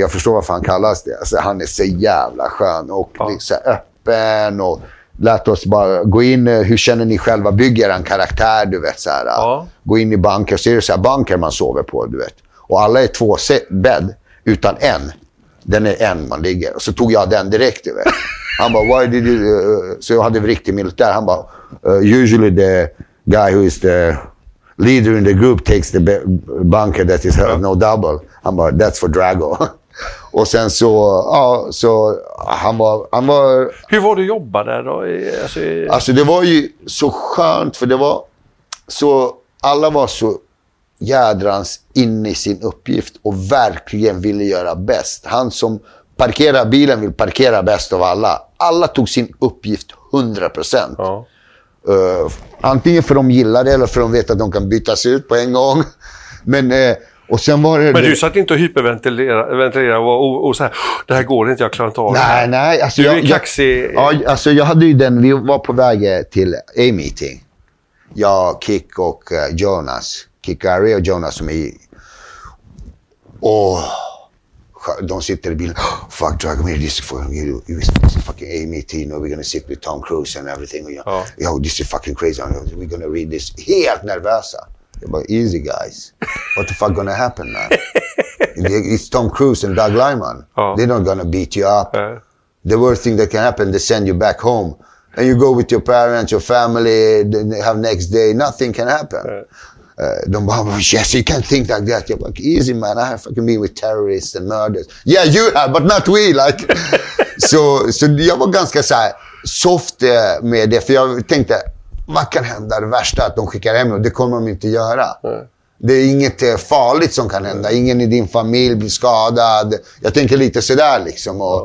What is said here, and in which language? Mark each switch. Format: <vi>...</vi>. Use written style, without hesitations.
<sv>Jag förstår vad fan kallas det. Alltså, han är så jävla skön och så öppen och lät oss bara gå in. Hur känner ni själva? Bygger en karaktär, du vet. Så här, ja. Gå in i banker. Så är det så här banker man sover på, du vet. Och alla är 2 bädd utan en. Den är en man ligger. Och så tog jag den direkt, du vet. Han bara,</sv> <en>why did you...</en> <sv>Så jag hade riktig militär. Han bara,</sv> <en>usually the guy who is the... Leader in the group takes the bunker that is no double.</en> <sv>Han bara,</sv> <en>that's for Drago.</en> <sv>Och sen så, ja, så han var... Hur var du att jobba där då? Alltså det var ju så skönt, för det var så... Alla var så jädrans in i sin uppgift och verkligen ville göra bäst. Han som parkerar bilen vill parkera bäst av alla. Alla tog sin uppgift 100%. Ja. Antingen för de gillar det eller för de vet att de kan bytas ut på en gång. Men och sen var det. Men du satt inte och hyperventilerade och så här, det här går inte, jag klarar inte av det. Nej, nej, alltså du är kaxig. Ja, alltså jag hade ju den, vi var på väg till A-meeting. Jag, Kick och Jonas, Kick Gary och Jonas som är i. Och de sitter i bilen.</sv> <en>Oh, fuck, drag me. This is fucking, this is fucking A-meeting. You know, we're gonna sit with Tom Cruise and everything.</en> <sv>Ja.</sv> <en>Yo, this is fucking crazy. We're gonna read this.</en> <sv>Helt nervösa. Jag bara,</sv> <en>easy guys. What the fuck gonna happen, man? It's Tom Cruise and Doug Liman.</en> <sv>Ja.</sv> <en>They're not gonna beat you up.</en> <sv>Ja.</sv> <en>The worst thing that can happen, they send you back home. And you go with your parents, your family, then they have next day, nothing can happen. Yes, you can't think like that. You're like, easy, man. I have fucking been with terrorists and murders. Yeah, you have, but not we. Like, so</en> <sv>jag var ganska så här soft med det. För jag tänkte, vad kan hända? Det värsta att de skickar hem mig. Det kommer de inte göra. Det är inget farligt som kan hända. Ingen i din familj blir skadad. Jag tänker lite så där liksom.</sv>